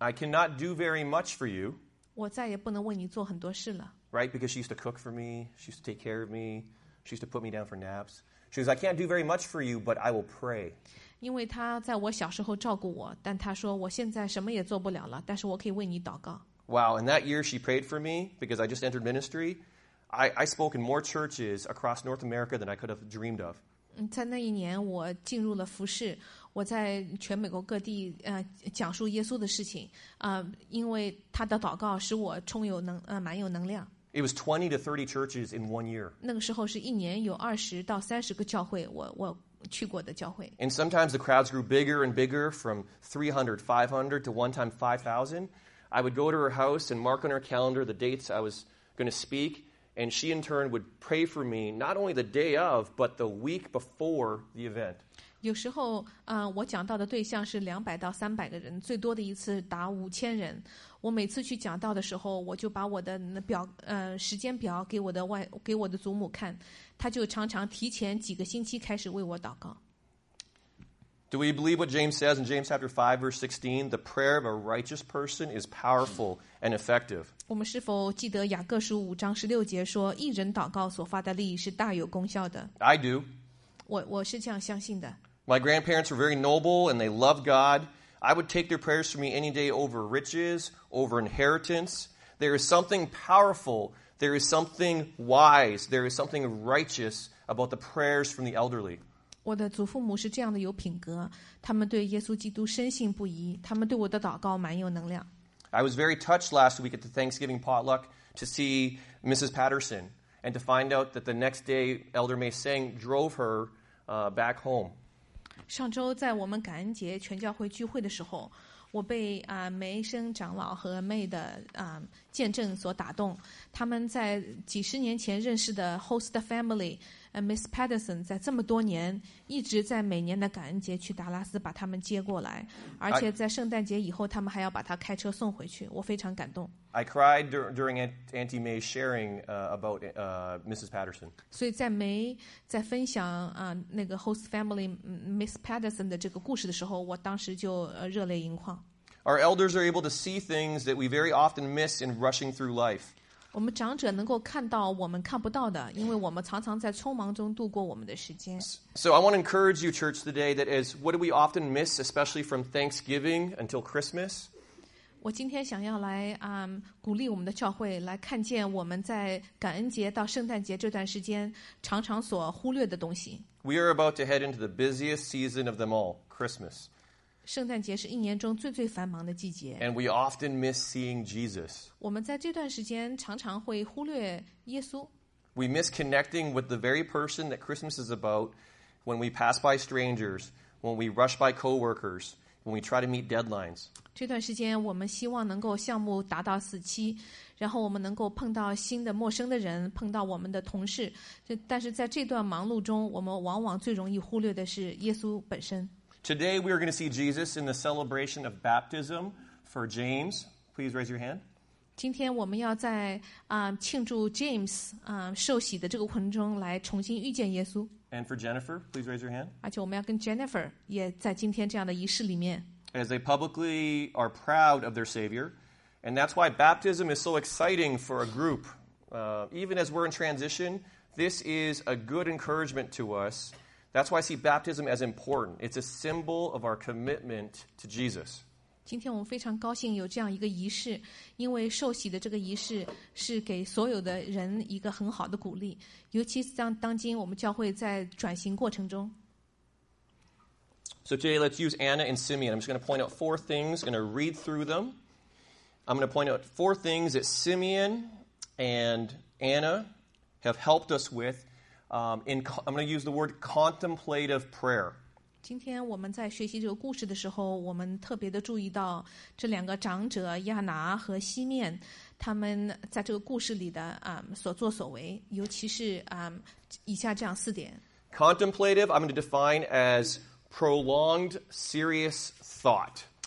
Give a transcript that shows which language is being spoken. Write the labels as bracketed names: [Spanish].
[English] I cannot do very much for you. [Chinese] 我再也不能为你做很多事了。 [English] Right, because she used to cook for me, she used to take care of me, she used to put me down for naps. She says, I can't do very much for you, but I will pray. [Chinese] 因为他在我小时候照顾我，但他说我现在什么也做不了了，但是我可以为你祷告。 [English] Wow, and that year she prayed for me because I just entered ministry. I spoke in more churches across North America than I could have dreamed of. [Chinese] 在那一年我进入了服事，我在全美国各地讲述耶稣的事情，因为他的祷告使我蛮有能量。 [English] It was 20 to 30 churches in 1 year. [Chinese] 那个时候是一年有20到30个教会，我去过的教会。 [English] And sometimes the crowds grew bigger and bigger from 300, 500 to one time 5,000. I would go to her house and mark on her calendar the dates I was going to speakAnd she, in turn, would pray for me, not only the day of, but the week before the event. [Chinese] 有时候，我讲到的对象是200到300个人，最多的一次达5000人。我每次去讲道的时候，我就把我的表，时间表给我的祖母看，她就常常提前几个星期开始为我祷告。 [English] Do we believe what James says in James chapter 5, verse 16? The prayer of a righteous person is powerful and effective. [Chinese] 我们是否记得雅各书五章十六节说，一人祷告所发的力是大有功效的？ [English] I do. [Chinese] 我是这样相信的。 [English] My grandparents were very noble and they loved God. I would take their prayers for me any day over riches, over inheritance. There is something powerful, there is something wise, there is something righteous about the prayers from the elderly. [Chinese] 我的祖父母是这样的有品格，他们对耶稣基督深信不疑，他们对我的祷告蛮有能量。 [English] I was very touched last week at the Thanksgiving potluck to see Mrs. Patterson and to find out that the next day Elder May Singh drove her back home. [Chinese] 上周在我们感恩节全教会聚会的时候，我被梅生长老和妹的见证所打动。他们在几十年前认识的 [English] host family [Chinese] Miss Patterson 在这么多年一直在每年的感恩节去达拉斯把他们接过来，而且在圣诞节以后他们还要把他开车送回去，我非常感动。 [English] I cried during Auntie May's sharing about Mrs. Patterson. [Chinese] 所以在梅在分享那个 [English] host family [Chinese] Miss Patterson 的这个故事的时候，我当时就热泪盈眶。 [English] Our elders are able to see things that we very often miss in rushing through life. [Chinese] 我们长者能够看到我们看不到的，因为我们常常在匆忙中度过我们的时间。 [English] So I want to encourage you, church, today, that is, what do we often miss, especially from Thanksgiving until Christmas? [Chinese] 我今天想要来鼓励我们的教会来看见我们在感恩节到圣诞节这段时间常常所忽略的东西。 [English] We are about to head into the busiest season of them all, Christmas. [Chinese] 圣诞节是一年中最最繁忙的季节。 [English] And we often miss seeing Jesus. [Chinese] 我们在这段时间常常会忽略耶稣。 [English] We miss connecting with the very person that Christmas is about when we pass by strangers, when we rush by coworkers, when we try to meet deadlines. [Chinese] 这段时间我们希望能够项目达到死期，然后我们能够碰到新的陌生的人，碰到我们的同事，但是在这段忙碌中我们往往最容易忽略的是耶稣本身。 [English] Today we are going to see Jesus in the celebration of baptism for James. Please raise your hand. [Chinese] 今天我们要在庆祝 James 受洗的这个过程中来重新遇见耶稣。 [English] And for Jennifer, please raise your hand. [Chinese] 而且我们要跟 Jennifer 也在今天这样的仪式里面。 [English] As they publicly are proud of their Savior. And that's why baptism is so exciting for a group. Even as we're in transition, this is a good encouragement to us. That's why I see baptism as important. It's a symbol of our commitment to Jesus. [Chinese] 今天我们非常高兴有这样一个仪式，因为受洗的这个仪式是给所有的人一个很好的鼓励，尤其是像当今我们教会在转型过程中。 [English] So today, let's use Anna and Simeon. I'm just going to point out four things, going to read through them. I'm going to point out four things that Simeon and Anna have helped us with. I'm going to use the word contemplative prayer. [Chinese] 今天我们在学习这个故事的时候，我们特别的注意到这两个长者亚拿和西面，他们在这个故事里的所作所为，尤其是以下这样四点。 [English] Contemplative, I'm going to define as... Prolonged serious thought.